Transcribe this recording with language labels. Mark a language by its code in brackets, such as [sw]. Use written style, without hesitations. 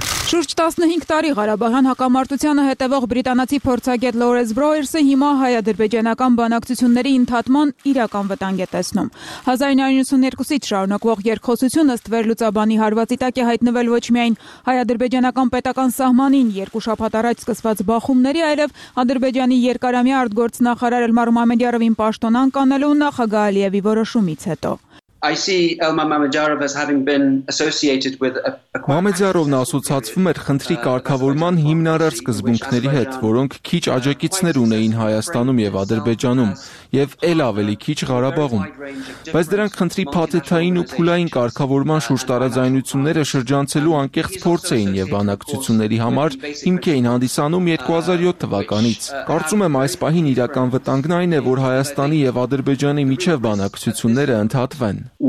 [hy] Շուրջ 15 տարի Ղարաբաղյան հակամարտությանը հետևող բրիտանացի փորձագետ Լորենս Բրոերսը հիմա հայ-ադրբեջանական բանակցությունների ընդհատման իրական վտանգ է տեսնում։ 1992-ից շարունակվող երկխոսությունը ըստ վերլուծաբանի հարվածի տակ է հայտնվել ոչ միայն հայ-ադրբեջանական պետական սահմանին երկու շաբաթ առաջ սկսված բախումների, այլև Ադրբեջանի երկարամյա արտգործնախարար Էլմար Մամեդյարովին պաշտոն անկանելու նախագահ Ալիևի որոշումից հետո։ [en] I see Elmar Mamedyarov as having been associated with a [hy] Մամեդյարովն ասոցացվում էր խնդրի կարգավորման հիմնարար սկզբունքների հետ, որոնք քիչ աջակիցներ ունեին Հայաստանում եւ Ադրբեջանում եւ ել ավելի քիչ Ղարաբաղում։ Բայց դրանք խնդրի փաթեթային ու փուլային կարգավորման շուրջ տարաձայնությունները շրջանցելու անկեղծ փորձ էին եւ բանակցությունների համար հիմք էին հանդիսանում 2007 թվականից։ Կարծում եմ այս պահին իրական վտանգն այն է, որ Հայաստանի եւ Ադրբեջանի միջև բանակցությունները ընդհատվեն։